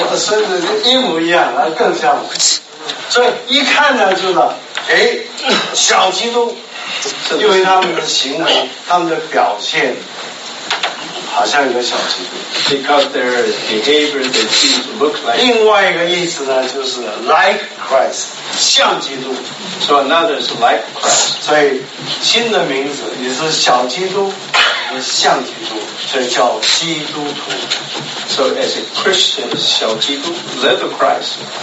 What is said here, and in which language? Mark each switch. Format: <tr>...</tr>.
<zh>我的孙子一模一样，更像我。所以一看呢，就是，哎，小基督，因为他们的行为，他们的表现，好像一个小基督。</zh> <en>Because their behavior, they seem to look like.</en> <zh>另外一个意思呢，就是</zh> <en>like Christ,</en> <zh>像基督。</zh> <en>So another is like Christ.</en> <zh>所以新的名字，你是小基督，你是像基督，所以叫基督徒。</zh> <en>So as a Christian,</en> <zh>小基督,</zh> <en>little Christ.</en>